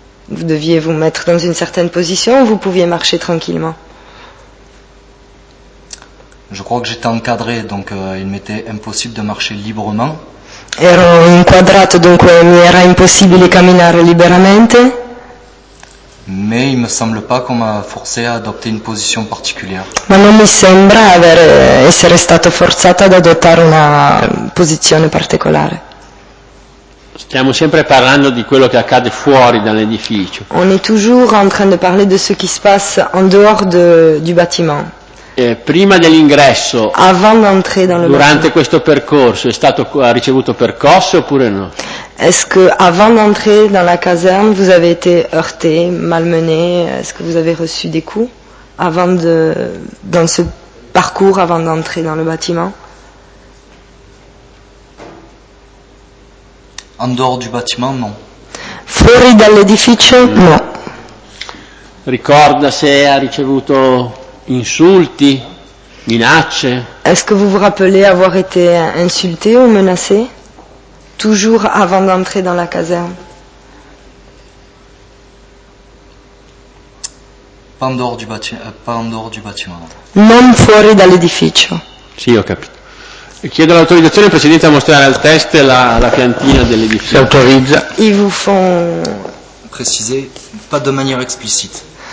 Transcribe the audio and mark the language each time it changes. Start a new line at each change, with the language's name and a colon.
French: Vous deviez vous mettre dans une certaine position ou vous pouviez marcher tranquillement? Je crois que j'étais encadré, donc il m'était impossible de marcher librement.
Italian: Ero inquadrato, dunque mi era impossibile camminare liberamente.
French: Mais il me semble pas qu'on m'a forcé à adopter une position particulière.
Italian: Ma non mi sembra essere stato forzato ad adottare una posizione particolare. Stiamo sempre parlando di quello che accade fuori dall'edificio.
French: On est toujours en train de parler de ce qui se passe en dehors du bâtiment.
Italian: Prima dell'ingresso,
French: avant d'entrer dans le
Italian: durante
French: bâtiment.
Italian: Questo percorso, ha ricevuto percosse oppure no?
French: Est-ce que avant d'entrer dans la caserne, vous avez été heurté, malmené? Est-ce que vous avez reçu des coups avant dans ce parcours, avant d'entrer dans le bâtiment? En dehors du bâtiment, non.
Italian: Fuori dall'edificio, no. Ricorda se ha ricevuto insulti, minacce.
French: Est-ce que vous vous rappelez avoir été insulté ou menacé toujours avant d'entrer dans la caserne? Pas en dehors du bâtiment.
Italian: Non fuori dall'edificio. Sì, ho capito. Chiedo l'autorizzazione precedente a mostrare al test la piantina dell'edificio. Si autorizza.
French: Ils vous font préciser, pas de manière explicite.